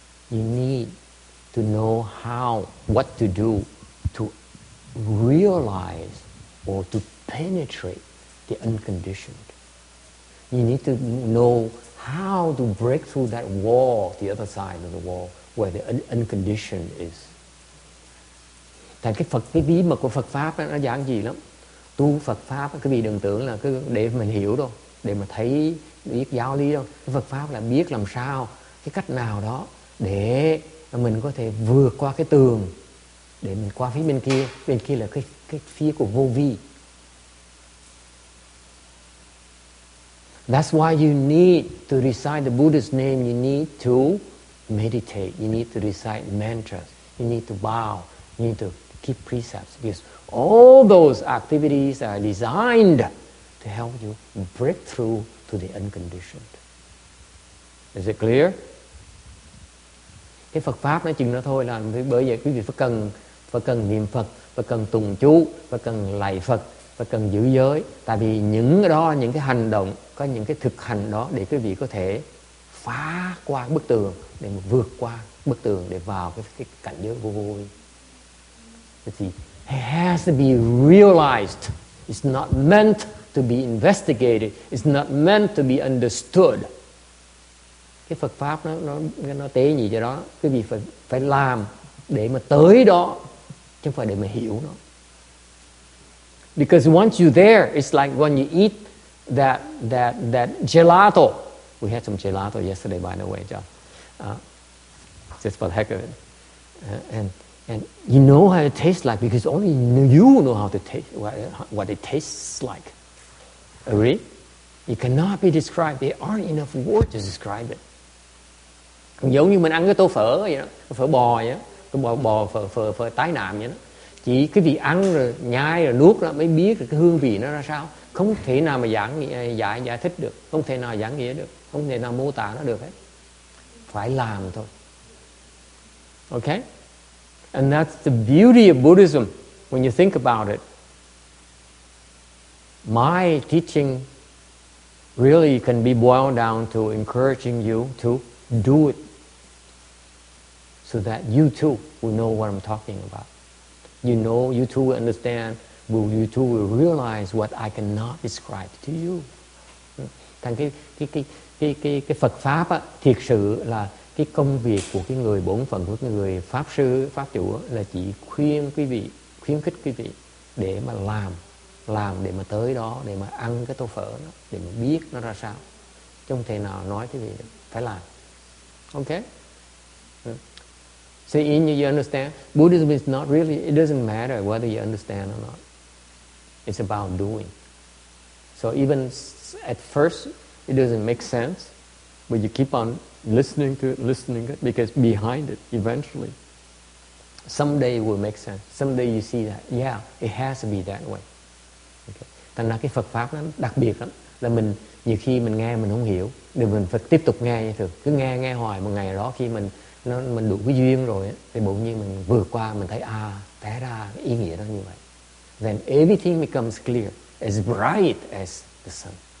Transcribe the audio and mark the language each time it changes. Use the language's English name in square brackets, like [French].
[English] You need to know how, what to do to realize or to penetrate the unconditioned. You need to know how to break through that wall, the other side of the wall, where the unconditioned is. [Vietnamese] Thành cái Phật, cái bí mật của Phật Pháp nó giản dị lắm. Tu Phật Pháp, cái vị đừng tưởng là cứ để mình hiểu đâu, để mà thấy, biết giáo lý đâu. Cái Phật Pháp là biết làm sao, cái cách nào đó để mình có thể vượt qua cái tường, để mình qua phía bên kia. Bên kia là cái phía của vô vi. [English] That's why you need to recite the Buddha's name. You need to meditate. You need to recite mantras. You need to bow. You need to keep precepts. Because all those activities are designed to help you break through to the unconditioned. Is it clear? [Vietnamese] Cái Phật Pháp nói chừng đó thôi là bởi vậy quý vị phải cần niệm Phật, phải cần tùng chú, phải cần lạy Phật, phải cần giữ giới. Tại vì những đó, những cái hành động, có những cái thực hành đó để quý vị có thể phá qua bức tường, để vượt qua bức tường, để vào cái cảnh giới vô vi. [English] It has to be realized. It's not meant to be investigated. It's not meant to be understood. [Vietnamese] Cái Phật Pháp nó tế nhị cho đó. Quý vị phải làm để mà tới đó, chứ không phải để mà hiểu nó. [English] Because once you're there, it's like when you eat that gelato. We had some gelato yesterday, by the way, John. Just for the heck of it. And you know how it tastes like because only you know how to taste what it tastes like. Really? It cannot be described. There aren't enough words to describe it. [Vietnamese] Giống như mình ăn cái tô phở vậy đó, phở bò vậy đó, cái bò phở tái nạm vậy đó. Chỉ cái vị ăn rồi nhai rồi nuốt đó mới biết cái hương vị nó ra sao. Không thể nào mà giải thích được, không thể nào giải nghĩa được, không thể nào mô tả nó được hết. Phải làm thôi. Okay? [English] And that's the beauty of Buddhism when you think about it. My teaching really can be boiled down to encouraging you to do it so that you too will know what I'm talking about. You know, you too will understand, but you too will realize what I cannot describe to you. [Vietnamese] Thành cái Phật Pháp á, thiệt sự là cái công việc của cái người bổn phận của cái người Pháp Sư, Pháp Chủ là chỉ khuyến khích quý vị để mà làm để mà tới đó, để mà ăn cái tô phở đó, để mà biết nó ra sao. Chứ không thể nào nói quý vị được, phải làm. [English] Okay? See, so you understand? Buddhism is not really, it doesn't matter whether you understand or not. It's about doing. So even at first, it doesn't make sense, but you keep on listening to it, because behind it, eventually, someday it will make sense. Someday you see that, yeah, it has to be that way. Okay? [Vietnamese] Thành ra cái Phật Pháp nó đặc biệt lắm, là mình nhiều khi mình nghe mình không hiểu, thì mình phải tiếp tục nghe như thường, cứ nghe hoài. Một ngày đó khi mình đủ cái duyên rồi thì bỗng nhiên mình vượt qua, mình thấy té ra ý nghĩa đó như vậy. [English] Then everything becomes clear, as bright as the sun.